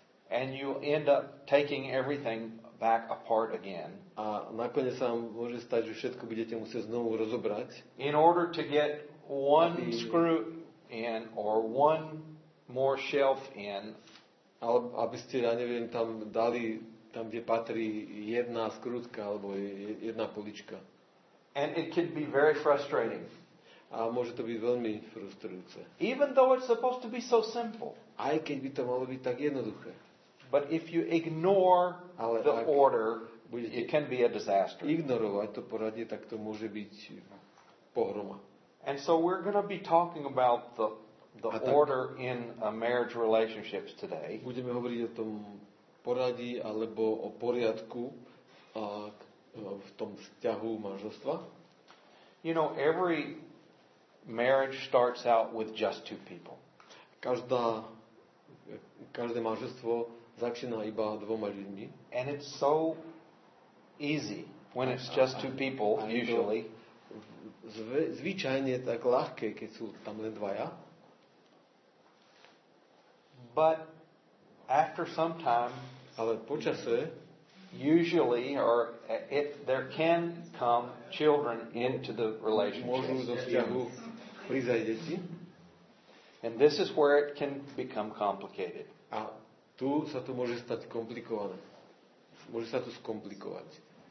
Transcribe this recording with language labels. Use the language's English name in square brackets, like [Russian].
[English] And you end up taking everything back apart again. [Slovak] A nakoniec sa vám môže stať, že všetko budete musieť znovu rozobrať. [English] In order to get one screw in or one more shelf in, [Slovak] aby ste, ja neviem, tam dali tam, kde patrí jedna skrutka alebo jedna polička. [English] And it can be very frustrating. [Slovak] A môže to byť veľmi frustrujúce. [English] Even though it's supposed to be so simple. [Slovak] Aj keď by to malo byť tak jednoduché. [English] But if you ignore [Slovak] ale [English] the order, it can be a disaster. [Slovak] Ignorovať to poradie, tak to môže byť pohroma. [English] And so we're going to be talking about the order in a marriage relationships today. [Slovak] Budeme hovoriť o tom poradí alebo o poriadku v tom vzťahu manželstva. [English] You know, every marriage starts out with just two people. [Slovak] Každé manželstvo začína iba dvoma ľuďmi. [English] And it's so easy when it's just two people usually. [Slovak] Zvyčajne je tak ľahké, keď sú tam len dvaja. [English] But after some time, [Slovak] ale počase, [English] usually or if there can come children into the relationship, [Slovak] deti. [English] And this is where it can become complicated. [Slovak] A tu sa to môže stať komplikované. Môže sa to skomplikovať.